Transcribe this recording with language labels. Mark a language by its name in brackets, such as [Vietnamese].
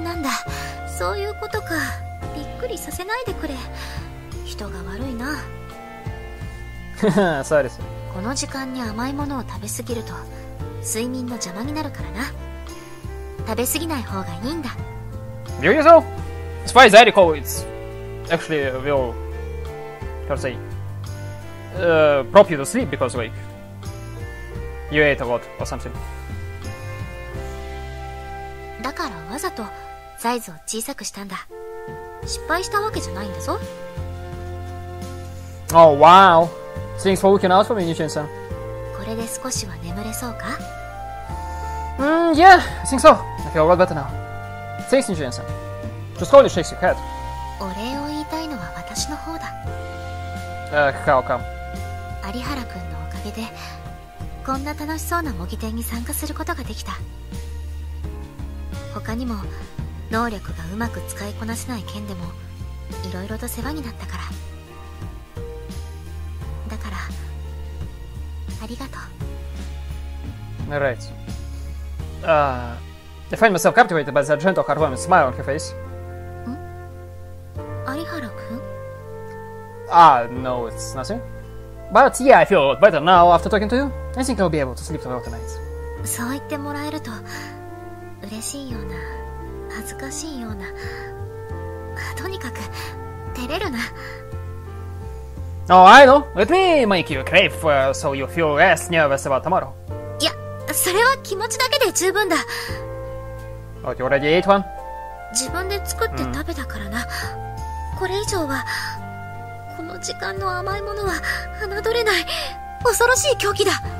[Japanese] なんだ、そういうことか。びっくりさせないでくれ。人が悪いな。そうです。この時間に甘いものを食べすぎると睡眠の邪魔になるからな。食べ過ぎない方がいいんだ。 [English] You know? As far as I recall, it's actually will, how to say, prop you to sleep because like you ate a lot or something. [Japanese] だからわざとサイズを小さくしたんだ。失敗したわけじゃないんだぞ。 [English] Oh wow! Thanks for looking out for me, Nishin-san. [Japanese] これで少しは眠れそうか？ [English] Yeah, I think so. I feel a lot better now. Thanks, Nishin-san. Just hold your shakes your head. [Japanese] お礼を言いたいのは私の方だ。 [English] How come? [Japanese] 有原くんのおかげで、こんな楽しそうな模擬店に参加することができた。他にも、能力がうまく使いこなせない件でも、いろいろと世話になったから。だから、ありがとう。 [English] Right. I find myself captivated by the gentle, heartwarming smile on her face. Hmm? Arihara-kun? No, it's nothing. But yeah, I feel a lot better now after talking to you. I think I'll be able to sleep well tonight. [Japanese] そう言ってもらえると、嬉しいような、恥ずかしいような、とにかく、照れるな。 [English] Oh, I know. Let me make you crave for, so you feel less nervous about tomorrow. [Japanese] それは気持ちだけで十分だ。 [English] Oh, you already ate one? [Japanese] 自分で作って食べたからな。これ以上は、この時間の甘いものは侮れない恐ろしい狂気だ。